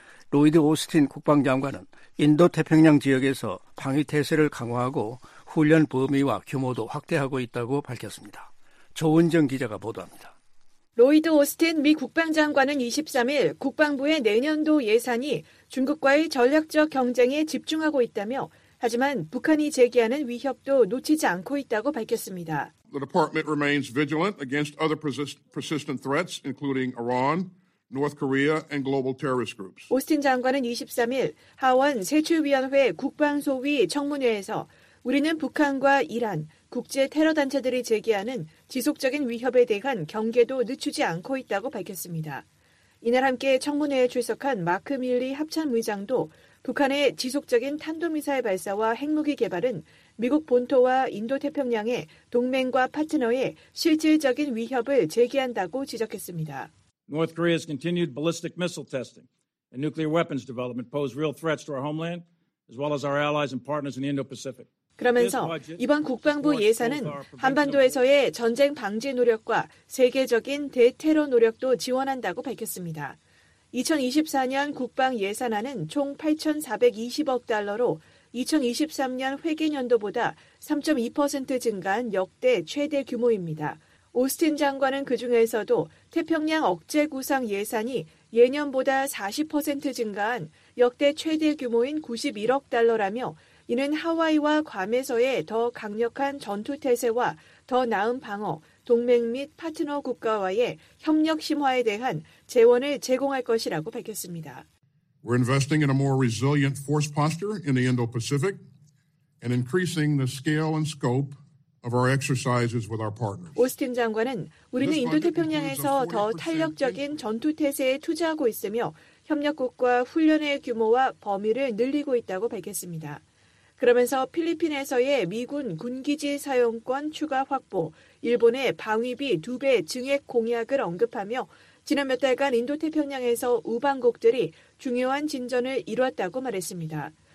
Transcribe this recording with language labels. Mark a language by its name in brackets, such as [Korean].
[Korean] 로이드 오스틴 국방장관은 인도태평양 지역에서 방위태세를 강화하고 훈련 범위와 규모도 확대하고 있다고 밝혔습니다. 조은정 기자가 보도합니다. 로이드 오스틴 미 국방장관은 23일 국방부의 내년도 예산이 중국과의 전략적 경쟁에 집중하고 있다며 하지만 북한이 제기하는 위협도 놓치지 않고 있다고 밝혔습니다. [English] The department remains vigilant against other persistent threats, including Iran, North Korea, and global terrorist groups. [Korean] 오스틴 장관은 23일 하원 세출위원회 국방소위 청문회에서 우리는 북한과 이란, 국제 테러 단체들이 제기하는 지속적인 위협에 대한 경계도 늦추지 않고 있다고 밝혔습니다. 이날 함께 청문회에 출석한 마크 밀리 합참의장도 북한의 지속적인 탄도미사일 발사와 핵무기 개발은 미국 본토와 인도태평양의 동맹과 파트너의 실질적인 위협을 제기한다고 지적했습니다. [English] North Korea's continued ballistic missile testing and nuclear weapons development pose real threats to our homeland as well as our allies and partners in the Indo-Pacific. [Korean] 그러면서 이번 국방부 예산은 한반도에서의 전쟁 방지 노력과 세계적인 대테러 노력도 지원한다고 밝혔습니다. 2024년 국방 예산안은 총 8,420억 달러로 2023년 회계연도보다 3.2% 증가한 역대 최대 규모입니다. 오스틴 장관은 그중에서도 태평양 억제 구상 예산이 예년보다 40% 증가한 역대 최대 규모인 91억 달러라며 이는 하와이와 괌에서의 더 강력한 전투태세와 더 나은 방어, 동맹 및 파트너 국가와의 협력 심화에 대한 재원을 제공할 것이라고 밝혔습니다. [English] We're investing in a more resilient force posture in the Indo-Pacific and increasing the scale and scope of our exercises with our partners. [Korean] 오스틴 장관은 우리는 인도태평양에서 더 탄력적인 전투태세에 투자하고 있으며 협력국과 훈련의 규모와 범위를 늘리고 있다고 밝혔습니다. 그러면서 필리핀에서의 미군 군기지 사용권 추가 확보, 일본의 방위비 2배 증액 공약을 언급하며 지난 몇 달간 인도태평양에서 우방국들이 중요한 진전을 이뤘다고 말했습니다.